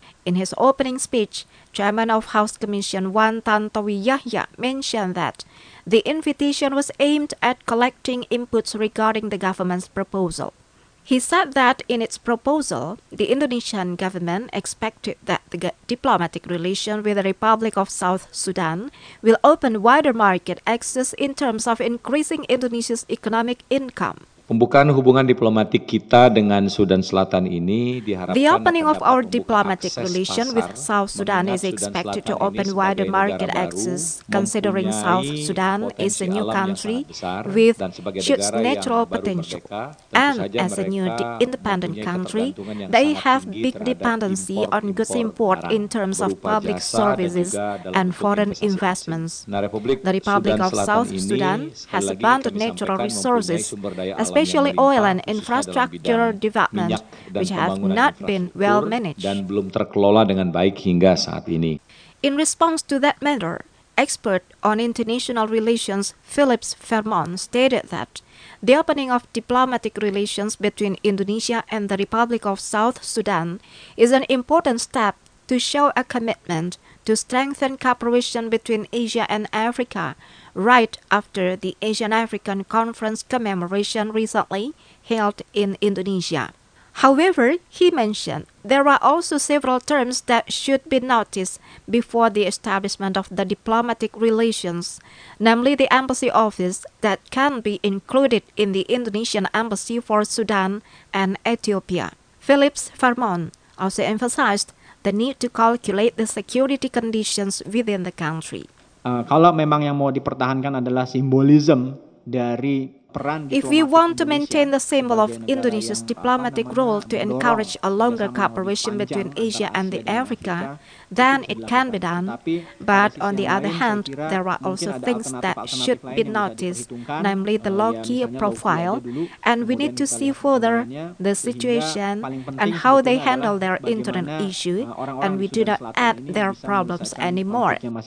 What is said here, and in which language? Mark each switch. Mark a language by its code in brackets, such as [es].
[en] In his opening speech, Chairman of House Commission 1 Tantowi Yahya mentioned that the invitation was aimed at collecting inputs regarding the government's proposal. He said that in its proposal, the Indonesian government expected that the diplomatic relation with the Republic of South Sudan will open wider market access in terms of increasing Indonesia's economic income. [id] Pembukaan hubungan diplomatik kita dengan Sudan Selatan ini diharapkan. [en] The opening of our diplomatic relation with South Sudan is expected to open wider market access, considering South Sudan is a new country with huge natural potential, and as a new independent country, they have big dependency on goods import in terms of public services and foreign investments. The Republic of South Sudan has abundant natural resources, especially oil and infrastructure development, which have not been well managed [id] dan belum terkelola dengan baik hingga saat ini. [en] In response to that matter, expert on international relations Philip Vermont stated that the opening of diplomatic relations between Indonesia and the Republic of South Sudan is an important step to show a commitment to strengthen cooperation between Asia and Africa right after the Asian-African Conference commemoration recently held in Indonesia. However, he mentioned there are also several terms that should be noticed before the establishment of the diplomatic relations, namely the embassy office that can be included in the Indonesian embassy for Sudan and Ethiopia. Philip Vermont also emphasized the need to calculate the security conditions within the country. [id] Kalau memang yang mau dipertahankan adalah simbolisme dari peran [en] If we want to maintain the symbol of Indonesia's diplomatic role to encourage a longer cooperation between Asia and the Africa, then it can be done. But on the other hand, there are also things that should be noticed, namely the low-key profile, and we need to see further the situation and how they handle their internal issue, and we do not add their problems anymore.